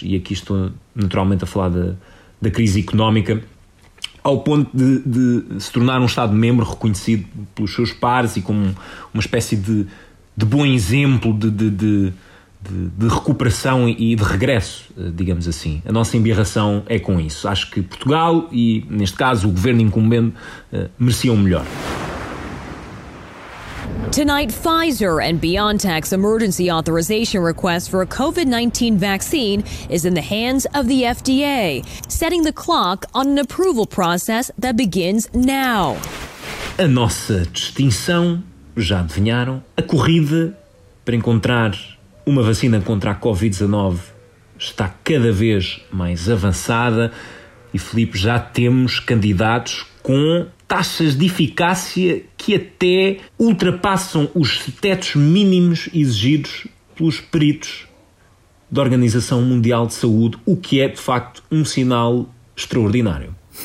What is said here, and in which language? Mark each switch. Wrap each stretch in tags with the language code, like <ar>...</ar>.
<pt>E aqui estou naturalmente a falar da crise económica, ao ponto de se tornar um Estado-membro reconhecido pelos seus pares e como uma espécie de bom exemplo de recuperação e de regresso, digamos assim. A nossa embirração é com isso. Acho que Portugal e, neste caso, o governo incumbente mereciam melhor.</pt> <en>Tonight, Pfizer and BioNTech's emergency authorization request for a COVID-19 vaccine is in the hands of the FDA, setting the clock on an approval process that begins now.</en> <pt>A nossa distinção, já adivinharam, a corrida para encontrar uma vacina contra a COVID-19 está cada vez mais avançada e, Filipe, já temos candidatos com taxas de eficácia que até ultrapassam os tetos mínimos exigidos pelos peritos da Organização Mundial de Saúde, o que é, de facto, um sinal extraordinário.</pt>